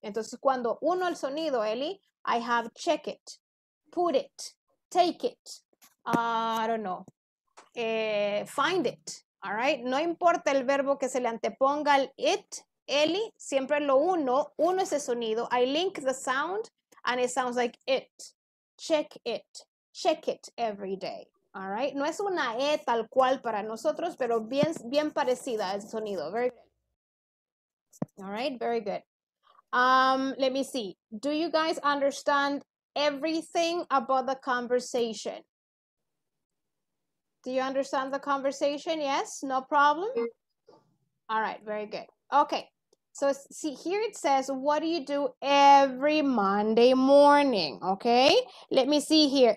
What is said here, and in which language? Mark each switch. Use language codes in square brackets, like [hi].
[es] Entonces, cuando uno el sonido, [en] Eli, I have check it, put it, take it, I don't know, find it, all right? [es] No importa el verbo que se le anteponga al it, Eli, siempre lo uno ese sonido. [en] I link the sound and it sounds like it, check it every day. All right. [es] No es una E tal cual para nosotros, pero bien, bien parecida al sonido. [en] Very good. All right. Very good. Let me see. Do you guys understand everything about the conversation? Do you understand the conversation? Yes. No problem. All right. Very good. Okay. So see, here it says, what do you do every Monday morning, okay? Let me see here.